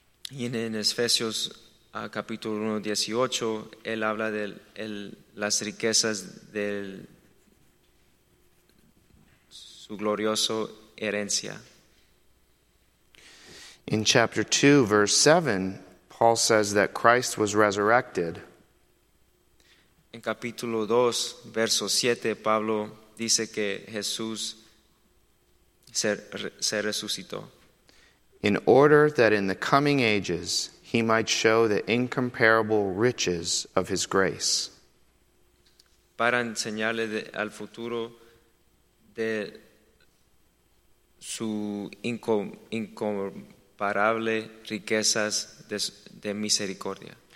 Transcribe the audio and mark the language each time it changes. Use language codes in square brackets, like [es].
[es] Y en Efesios capítulo 1:18, él habla de las riquezas del su glorioso herencia. [en] In chapter 2, verse 7, Paul says that Christ was resurrected. [es] En capítulo 2, verso 7, Pablo dice que Jesús se resucitó. [en] In order that in the coming ages he might show the incomparable riches of his grace. [es] Para enseñarle al futuro de su incomparable riquezas de misericordia.